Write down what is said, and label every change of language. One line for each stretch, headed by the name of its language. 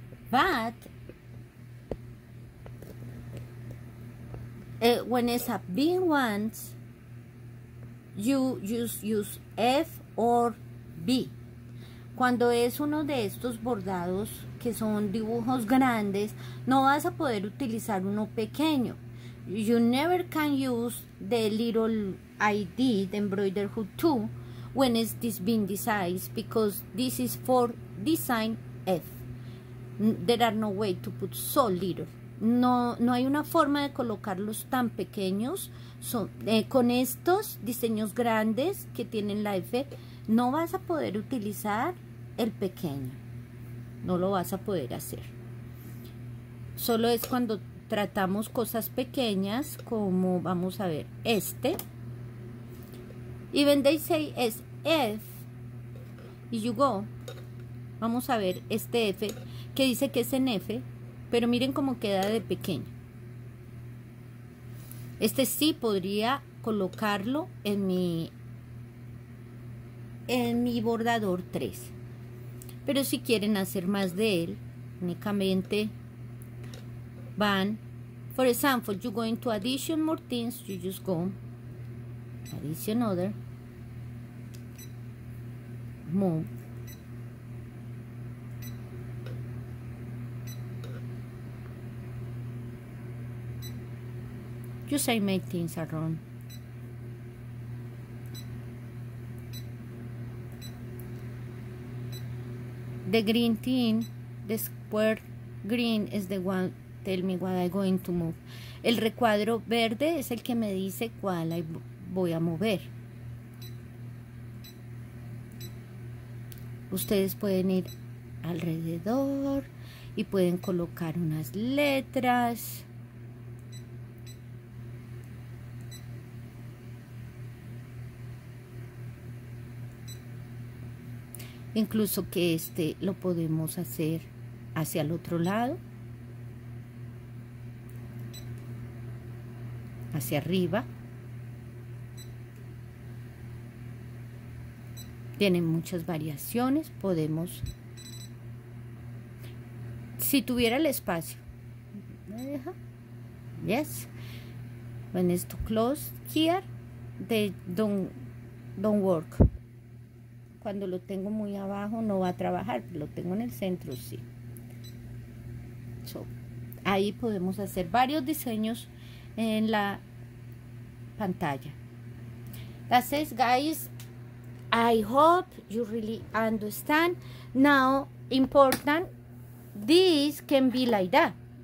English: But when it's a big ones, you use F or B.
Spanish: Cuando es uno de estos bordados que son dibujos grandes, no vas a poder utilizar uno pequeño.
English: You never can use the little ID, the embroider hook 2, when it's this being this size, because this is for design F. There are no way to put so little.
Spanish: No, no hay una forma de colocarlos tan pequeños. Con estos diseños grandes que tienen la F, no vas a poder utilizar el pequeño. No lo vas a poder hacer. Solo es cuando tratamos cosas pequeñas, como vamos a ver este. Y
English: when they say
Spanish: es F, y
English: you go,
Spanish: vamos a ver este F, que dice que es en F, pero miren cómo queda de pequeño. Este sí podría colocarlo en mi bordador 3. Pero si quieren hacer más de él, únicamente van.
English: For example, you go into addition more things, you just go addition other, move. You say make things around. The green thing, the square green is the one tell me what I'm going to move.
Spanish: El recuadro verde es el que me dice cuál voy a mover. Ustedes pueden ir alrededor y pueden colocar unas letras. Incluso que este lo podemos hacer hacia el otro lado, hacia arriba. Tienen muchas variaciones. Podemos, si tuviera el espacio.
English: Yes. When it's too close here, they don't work.
Spanish: Cuando lo tengo muy abajo no va a trabajar, lo tengo en el centro, sí. So, ahí podemos hacer varios diseños en la pantalla.
English: That's it, guys. I hope you really understand. Now, important, this can be like that.